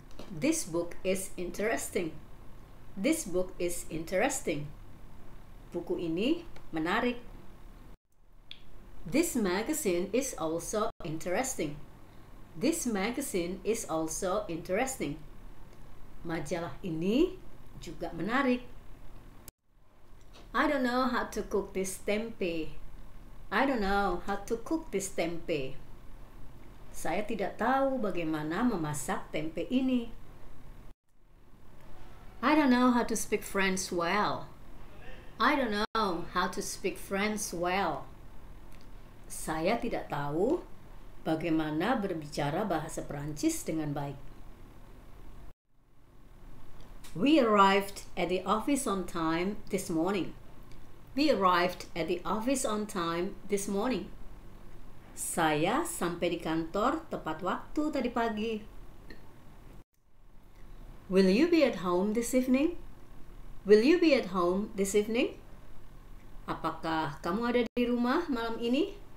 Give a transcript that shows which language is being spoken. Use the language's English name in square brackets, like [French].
[English] This book is interesting. This book is interesting. [Indonesian] Buku ini menarik. [English] This magazine is also interesting. This magazine is also interesting. [Indonesian] Majalah ini juga menarik. [English] I don't know how to cook this tempeh. I don't know how to cook this tempeh. [Indonesian] Saya tidak tahu bagaimana memasak tempe ini. [English] I don't know how to speak French well. I don't know how to speak French well. [Indonesian] Saya tidak tahu bagaimana berbicara bahasa Perancis dengan baik. [English] We arrived at the office on time this morning. We arrived at the office on time this morning. [Indonesian] Saya sampai di kantor tepat waktu tadi pagi. [English] Will you be at home this evening? Will you be at home this evening? [Indonesian] Apakah kamu ada di rumah malam ini?